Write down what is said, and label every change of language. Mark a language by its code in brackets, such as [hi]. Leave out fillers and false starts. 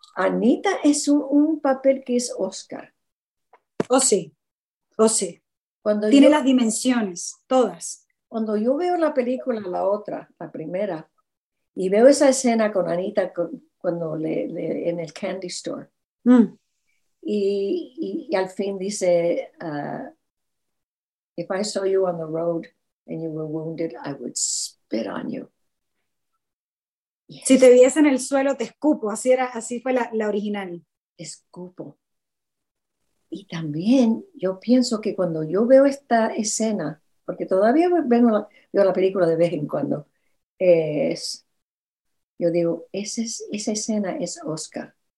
[es] Anita es un papel que es Oscar. Oh, sí. Oh, sí. Cuando tiene las dimensiones, todas. Cuando yo veo la película, la otra, la primera, y veo esa escena con Anita cuando le en el candy store. Mm. Y al fin dice, [en] if I saw you on the road and you were wounded, I would spit on you. Yes. [es] Si te viese en el suelo, te escupo. Así era, así fue la original. Escupo. Y también yo pienso que cuando yo veo esta escena, porque todavía veo la película de vez en cuando, yo digo, esa escena es Oscar.